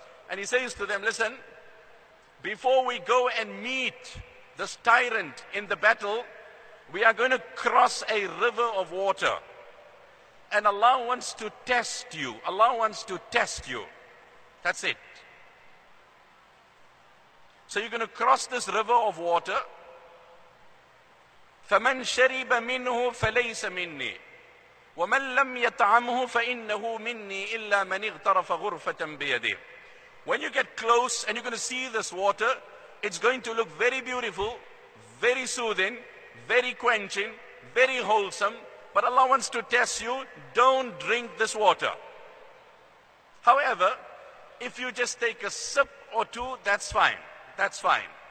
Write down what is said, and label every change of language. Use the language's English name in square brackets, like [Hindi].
[English] And he says to them, listen, before we go and meet this tyrant in the battle, we are going to cross a river of water. And Allah wants to test you. Allah wants to test you. That's it. So you're going to cross this river of water. [Arabic] فَمَنْ شَرِبَ مِنْهُ فَلَيْسَ مِنِّي. ومن لم يطعمه فإنه مني إلا من اغترف غرفة بيده. [English] When you get close and you're going to see this water, it's going to look very beautiful, very soothing, very quenching, very wholesome. But Allah wants to test you, don't drink this water. However, if you just take a sip or two, that's fine. That's fine.